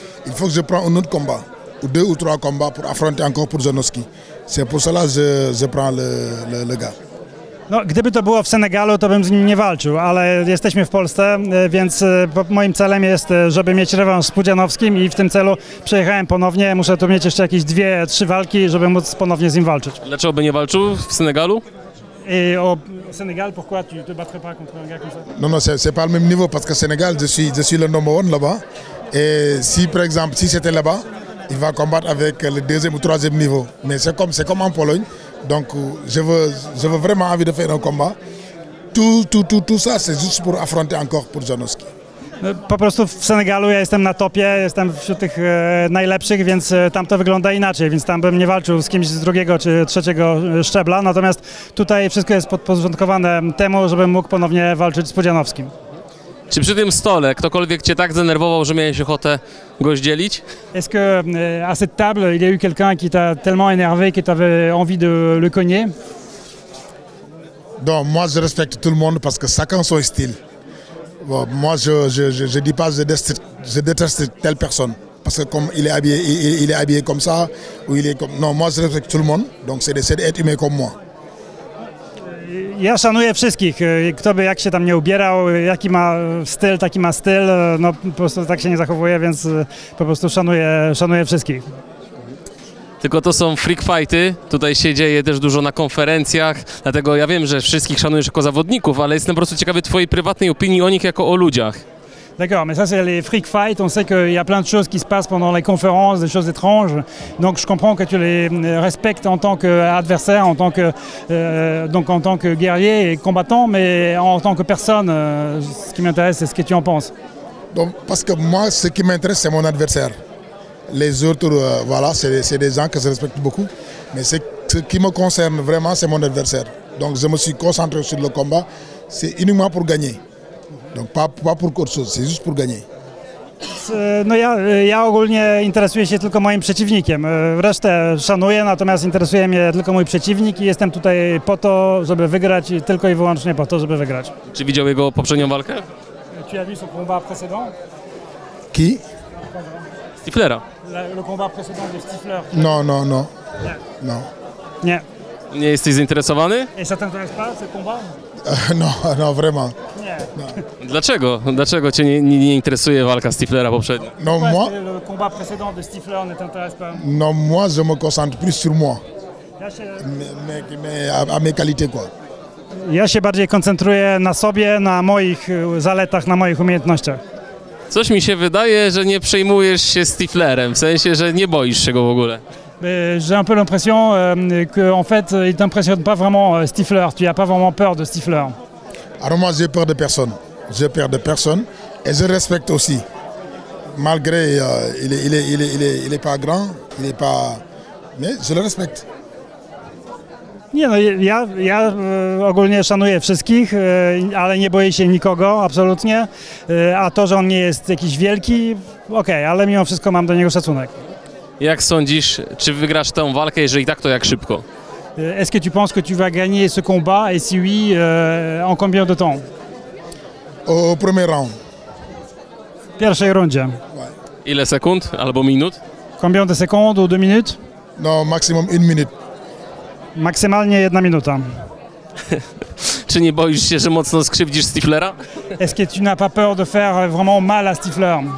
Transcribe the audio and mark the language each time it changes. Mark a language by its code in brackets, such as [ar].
[fr] Il faut que je prenne un autre combat, ou deux ou trois combats pour affronter encore pour Pudzianowski. C'est pour cela que je prends le gars. [pl] No, gdyby to było w Senegalu, to bym z nim nie walczył, ale jesteśmy w Polsce, więc moim celem jest, żeby mieć rewanż z Pudzianowskim i w tym celu przejechałem ponownie. Muszę tu mieć jeszcze jakieś dwie, trzy walki, żeby móc ponownie z nim walczyć. Dlaczego by nie walczył w Senegalu? [fr] Et au Sénégal, pourquoi tu te battrais pas contre un gars comme ça? Non, non, c'est pas le même niveau parce que Sénégal, je suis le [en] number one [fr] là-bas. Et si par exemple, si c'était là-bas, il va combattre avec le deuxième ou troisième niveau. Mais c'est comme en Pologne. Donc, je veux vraiment envie de faire un combat. Tout ça, c'est juste pour affronter encore pour Pudzianowski. [pl] Po prostu w Senegalu ja jestem na topie, jestem wśród tych najlepszych, więc tam to wygląda inaczej, więc tam bym nie walczył z kimś z drugiego czy trzeciego szczebla, natomiast tutaj wszystko jest podporządkowane temu, żebym mógł ponownie walczyć z Pudzianowskim. Czy przy tym stole ktokolwiek cię tak zdenerwował, że miałeś ochotę go zdzielić? [fr] Est-ce que à cette table il y a eu quelqu'un qui t'a tellement énervé que t'avais envie de le cogner? Non, moi je respecte tout le monde parce que chacun son style. Bon, moi, je dis pas je déteste telle personne parce que comme il est habillé comme ça ou il est comme non, moi je respecte tout le monde, donc c'est d'être humain comme moi. [pl] Ja szanuję wszystkich, kto by jak się tam nie ubierał, jaki ma styl, taki ma styl, no po prostu tak się nie zachowuje, więc po prostu szanuję wszystkich. Tylko to są freak fighty, tutaj się dzieje też dużo na konferencjach, dlatego ja wiem, że wszystkich szanujesz jako zawodników, ale jestem po prostu ciekawy twojej prywatnej opinii o nich jako o ludziach. [fr] D'accord, mais ça c'est les freak fights, on sait qu'il y a plein de choses qui se passent pendant les conférences, des choses étranges, donc je comprends que tu les respectes en tant qu'adversaire, en tant que, donc en tant que guerrier et combattant, mais en tant que personne, ce qui m'intéresse, c'est ce que tu en penses. Donc, parce que moi, ce qui m'intéresse, c'est mon adversaire. Les autres, voilà, c'est des gens que je respecte beaucoup, mais ce qui me concerne vraiment, c'est mon adversaire. Donc je me suis concentré sur le combat, c'est uniquement pour gagner. Donc pas pour autre chose, c'est juste pour gagner. [pl] No ja ogólnie interesuję się tylko moim przeciwnikiem. Resztę szanuję, natomiast interesuje mnie tylko mój przeciwnik i jestem tutaj po to, żeby wygrać i tylko i wyłącznie po to, żeby wygrać. Czy widział jego poprzednią walkę? [fr] Tu as vu son combat précédent? Qui? [pl] Stiflera. [fr] Le combat précédent de Stifler. No. No. [pl] Nie. Nie jesteś zainteresowany? [fr] Et ça t'intéresse pas, ce combat? No, vraiment. [pl] Nie. Dlaczego? Dlaczego cię nie interesuje walka Stiflera poprzednio? [fr] No, moi... Le combat précédent de Stifler ne t'intéresse pas? No, moi, je me concentre plus sur moi. [pl] Ja się... [fr] à mes qualités, quoi. [pl] Ja się bardziej koncentruję na sobie, na moich zaletach, na moich umiejętnościach. Coś mi się wydaje, że nie przejmujesz się Stiflerem, w sensie, że nie boisz się go w ogóle. [fr] J'ai un peu l'impression qu'en fait, il ne t'impressionne pas vraiment Stifler. Tu n'as pas vraiment peur de Stifler. Alors moi, j'ai peur de personne. J'ai peur de personne et je respecte aussi. Malgré, il est pas grand, il est pas... Mais je le respecte. [pl] Nie, no ja ogólnie szanuję wszystkich, ale nie boję się nikogo, absolutnie. A to, że on nie jest jakiś wielki, okej, ale mimo wszystko mam do niego szacunek. Jak sądzisz, czy wygrasz tę walkę, jeżeli tak, to jak szybko? [fr] Est-ce que tu penses que tu vas gagner ce combat et si oui, en combien de temps? Au premier round. [pl] Pierwszej rundzie. Ile sekund albo minut? [fr] Combien de secondes ou deux minutes? No, maximum une minute. [pl] Maksymalnie jedna minuta. Czy nie boisz się, że mocno skrzywdzisz Stiflera? [fr] Est-ce que tu n'as pas peur de faire vraiment mal à Stifler?